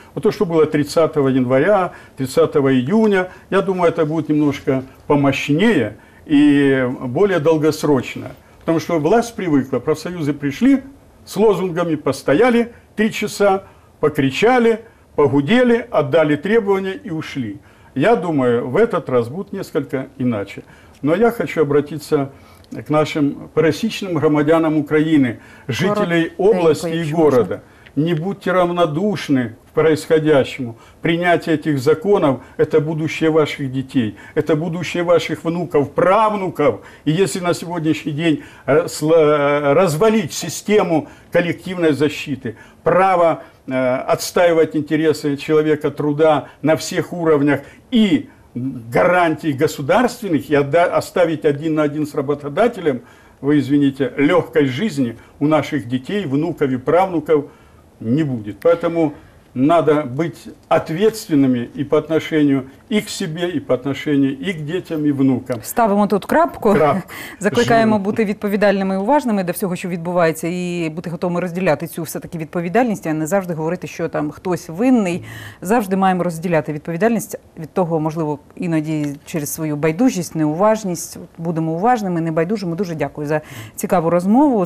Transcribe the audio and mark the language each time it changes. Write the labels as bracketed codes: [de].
[ru] Вот то, что было 30 января, 30 июня, я думаю, это будет немножко помощнее и более долгосрочно. Потому что власть привыкла, профсоюзы пришли с лозунгами, постояли 3 часа, покричали, погудели, отдали требования и ушли. Я думаю, в этот раз будет несколько иначе. Но я хочу обратиться к нашим [uk] пересічним громадянам України, жителей області і міста. [ru] Не будьте равнодушны к происходящему. Принятие этих законов – это будущее ваших детей, это будущее ваших внуков, правнуков. И если на сегодняшний день развалить систему коллективной защиты, право отстаивать интересы человека труда на всех уровнях и гарантий государственных и оставить один на один с работодателем, вы извините, легкой жизни у наших детей, внуков и правнуков не будет. Поэтому надо быть ответственными и по отношению и к себе, и по отношению и к детям, и внукам. [uk] Ставимо тут крапку. Закликаємо бути відповідальними і уважними до всього, що відбувається, і бути готовими розділяти цю все-таки відповідальність, а не завжди говорити, що там хтось винний. Завжди маємо розділяти відповідальність від того, можливо, іноді через свою байдужість, неуважність. Будемо уважними, не байдужими. Дуже дякую за цікаву розмову.